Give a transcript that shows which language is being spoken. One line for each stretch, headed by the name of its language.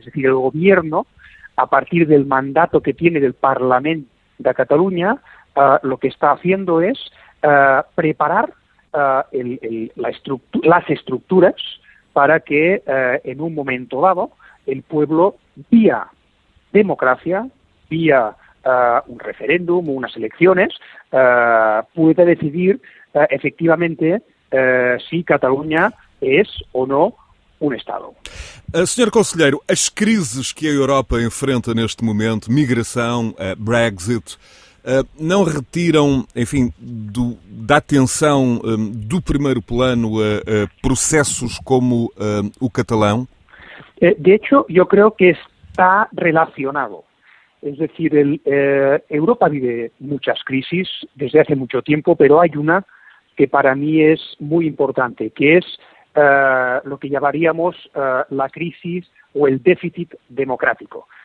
Spanish: Es decir, el gobierno, a partir del mandato que tiene del Parlamento de Cataluña, lo que está haciendo es preparar las estructuras para que, en un momento dado, el pueblo, vía democracia, vía un referéndum o unas elecciones, pueda decidir efectivamente si Cataluña es o no un Estado.
Portuguese: Senhor Conselheiro, as crises que a Europa enfrenta neste momento, migração, Brexit, não retiram, enfim, da atenção do primeiro plano a processos como o catalão?
Spanish: De hecho, yo creo que está relacionado. Es decir, Europa vive muchas crisis desde hace mucho tiempo, pero hay una que para mí es muy importante, que es lo que llamaríamos la crisis o el déficit democrático.